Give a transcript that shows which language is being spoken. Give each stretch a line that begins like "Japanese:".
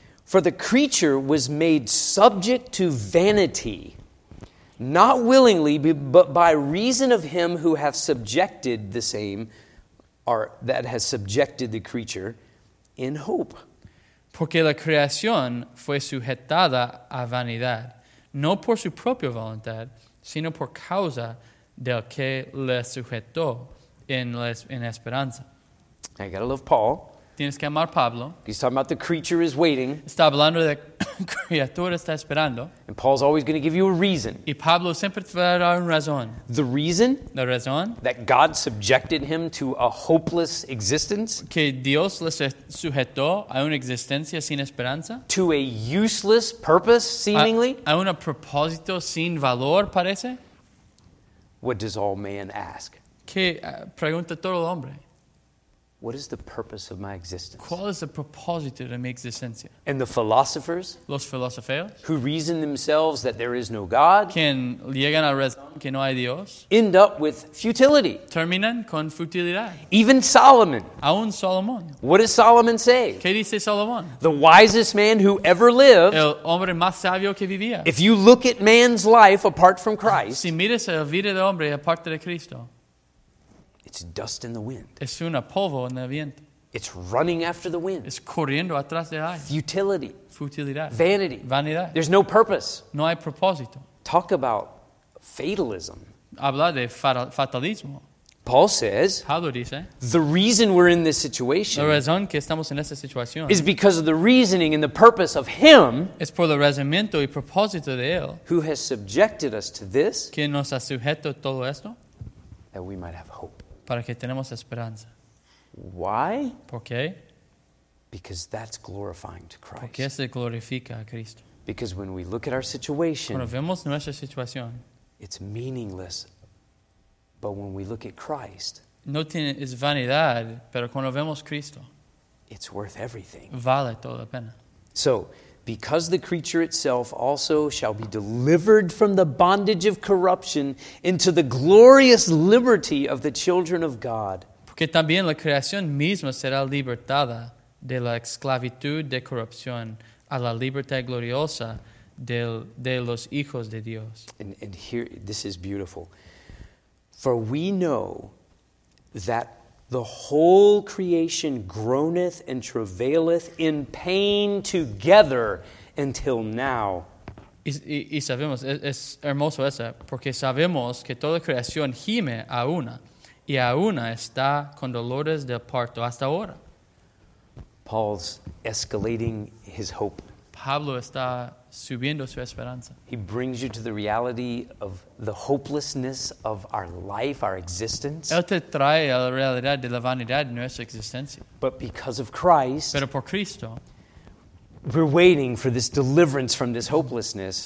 English: For the creature was made subject to vanity, not willingly, but by reason of him who hath subjected the same, or that has subjected the creature, in hope.
Spanish: Porque la creación fue sujetada a vanidad, no por su propia voluntad, sino por causa del que le sujetó en esperanza.
English: I gotta love Paul.
Spanish: Tienes que amar Pablo.
English: He's talking about the creature is waiting.
Spanish: Está hablando de criatura está esperando.
English: And Paul's always going to give you a reason.
Spanish: Y Pablo siempre te va a dar una razón.
English: The reason?
Spanish: La razón?
English: That God subjected him to a hopeless existence?
Spanish: Que Dios le sujetó a una existencia sin esperanza?
English: To a useless purpose, seemingly?
Spanish: A un propósito sin valor, parece?
English: What does all man ask?
Spanish: Que pregunta todo el hombre.
English: What is the purpose of my existence?
Spanish: ¿Cuál es el propósito de mi existencia?
English: And the philosophers,
Spanish: los filósofos,
English: who reason themselves that there is no God,
Spanish: quien llegan a razón que no hay Dios,
English: end up with futility.
Spanish: Terminan con futilidad.
English: Even Solomon.
Spanish: Aún Salomón.
English: What does Solomon say?
Spanish: ¿Qué dice Salomón?
English: The wisest man who ever lived.
Spanish: El hombre más sabio que vivía.
English: If you look at man's life apart from Christ,
Spanish: si miras la vida del hombre aparte de Cristo.
English: It's dust in the wind.
Spanish: Es una polvo en el viento.
English: It's running after the wind.
Spanish: Es corriendo atrás del aire.
English: Futility.
Spanish: Futilidad.
English: Vanity.
Spanish: Vanidad.
English: There's no purpose.
Spanish: No hay propósito.
English: Talk about fatalism.
Spanish: Habla de fatalismo.
English: Paul says,
Spanish: Pablo dice,
English: the reason we're in this situation,
Spanish: la razón que estamos en esta situación,
English: is because of the reasoning and the purpose of him,
Spanish: es por el razonamiento y propósito de él,
English: who has subjected us to this,
Spanish: que nos ha sujeto todo esto,
English: that we might have hope.
Spanish: Para que tenemos esperanza.
English: Why?
Spanish: ¿Por qué?
English: Because that's glorifying to Christ.
Spanish: Porque se glorifica a Cristo.
English: Because when we look at our situation,
Spanish: cuando vemos nuestra situación,
English: it's meaningless. But when we look at Christ,
Spanish: no tiene, es vanidad, pero cuando vemos Cristo,
English: it's worth everything.
Spanish: Vale toda la pena.
English: So, because the creature itself also shall be delivered from the bondage of corruption into the glorious liberty of the children of God.
Spanish: Porque también la creación misma será libertada de la esclavitud de corrupción a la libertad gloriosa de los hijos de Dios.
English: And here, this is beautiful. For we know that the whole creation groaneth and travaileth in pain together until now.
Spanish: Y sabemos, es hermoso eso, porque sabemos que toda creación gime a una, y a una está con dolores del parto hasta ahora.
English: Paul's escalating his hope.
Spanish: Pablo está subiendo su esperanza.
English: He brings you to the reality of the hopelessness of our life, our existence.
Spanish: Él te trae a la realidad de la vanidad de nuestra existencia.
English: But because of Christ,
Spanish: pero por Cristo,
English: we're waiting for this deliverance from this hopelessness.